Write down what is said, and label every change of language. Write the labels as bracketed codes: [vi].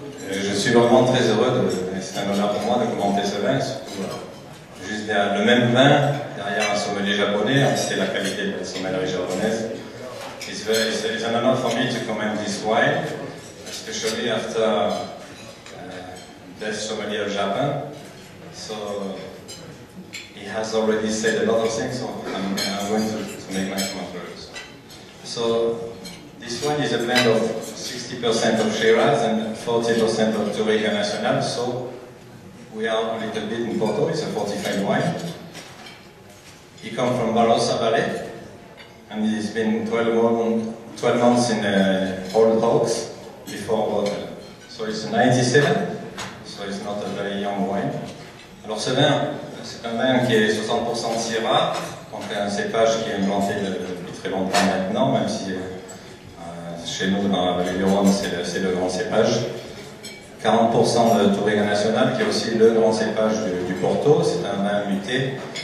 [fr] Je suis vraiment très heureux, c'est un honneur pour moi de commenter ce vin. Juste derrière le même vin, derrière un sommelier japonais, c'est la qualité de la sommellerie japonaise. [en] It's an honor for me to comment this wine, especially after best sommelier of Japan. So he has already said a lot of things, so I'm going to make my commentaries. So this wine is a blend of 60% of Shiraz and 40% of Touré International. So we are a little bit in Porto, it's a fortified wine. He comes from Barossa Valley. And he's been 12 months in old hogs before water. So it's 97, so it's not a very young wine. [fr] Alors ce vin, c'est un vin qui est 60% de Syrah, donc un cépage qui est inventé depuis très longtemps maintenant, même si chez nous dans la vallée du Rhône, c'est le grand cépage. 40% de Touriga National, qui est aussi le grand cépage du Porto, c'est un vin muté.